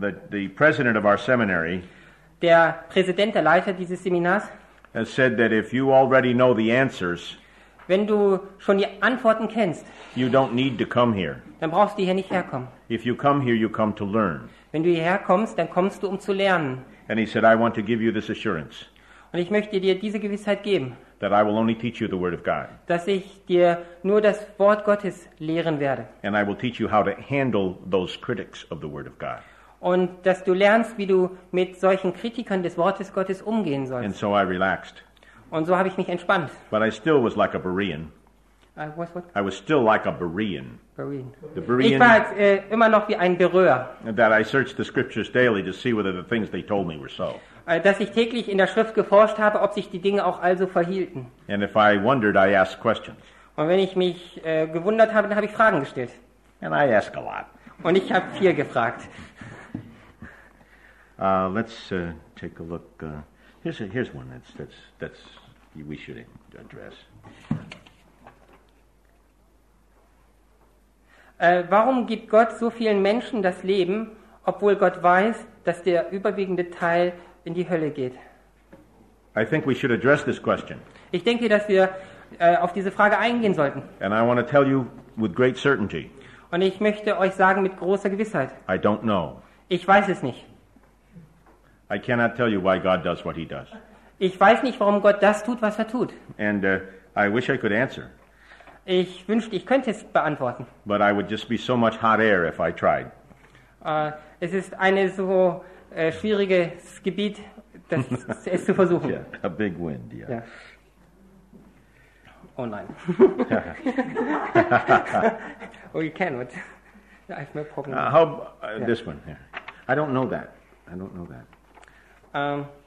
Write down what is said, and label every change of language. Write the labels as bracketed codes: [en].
[en] The president of our seminary, [de] der Präsident, der Leiter dieses Seminars, [en] said that if you already know the answers, [de] wenn du schon die Antworten kennst, [en] you don't need to come here. [de] Dann brauchst du hier nicht herkommen. [en] If you come here, you come to learn. [de] Wenn du hierher kommst, dann kommst du, um zu lernen. [en] And he said, I want to give you this assurance. [de] Und ich möchte dir diese Gewissheit geben. [en] That I will only teach you the word of God. [de] Dass ich dir nur das Wort Gottes lehren werde. [en] And I will teach you how to handle those critics of the word of God. [de] Und dass du lernst, wie du mit solchen Kritikern des Wortes Gottes umgehen sollst. [en] And so I relaxed. [de] Und so habe ich mich entspannt. [en] But I still was like a Berean. I was what? I was still like a Berean. Berean. The Berean. [de] Ich war immer noch wie ein Berührer. [en] That I searched the scriptures daily to see whether the things they told me were so. [de] Dass ich täglich in der Schrift geforscht habe, ob sich die Dinge auch also verhielten. [en] And if I wondered, I asked questions. [de] Und wenn ich mich gewundert habe, dann habe ich Fragen gestellt. [en] And I ask a lot. [de] Und ich habe viel gefragt. [en] Take a look. Here's one that's we should address. [de] Warum gibt Gott so vielen Menschen das Leben, obwohl Gott weiß, dass der überwiegende Teil in die Hölle geht? [en] I think we should address this question. [de] Ich denke, dass wir auf diese Frage eingehen sollten. [en] And I want to tell you with great certainty. [de] Und ich möchte euch sagen mit großer Gewissheit. [en] I don't know. [de] Ich weiß es nicht. [en] I cannot tell you why God does what he does. [de] Ich weiß nicht, warum Gott das tut, was er tut. [en] And I wish I could answer. [de] Ich wünschte, ich könnte es beantworten. [en] But I would just be so much hot air if I tried. [de] Es ist eine so schwieriges Gebiet, das es zu versuchen. [en] Yeah, a big wind, yeah. Yeah. [de] Oh nein. [en] Oh, you cannot. I have no problem. This one here. I don't know that. I don't know that.